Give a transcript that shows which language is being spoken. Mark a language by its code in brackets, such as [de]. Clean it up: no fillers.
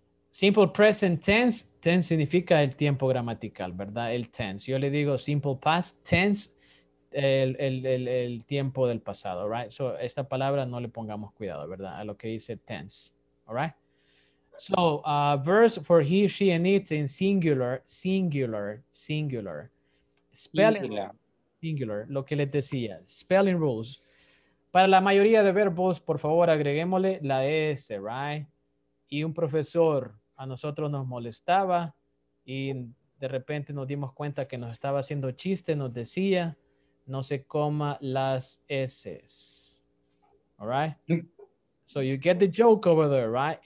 [en] Simple present tense, [es] tense significa el tiempo gramatical, ¿verdad? El tense. Yo le digo [en] simple past tense, [es] el tiempo del pasado, right? So, esta palabra no le pongamos cuidado, ¿verdad? A lo que dice tense, all right? [en] So, verbs for he, she, and it in singular. Spelling, singular, [es] lo que les decía. [en] Spelling rules. [es] Para la mayoría de verbos, por favor, agreguémosle la S, right? Y un profesor a nosotros nos molestaba y de repente nos dimos cuenta que nos estaba haciendo chiste, nos decía, no se coma las S. [en] All right? So you get the joke over there, right?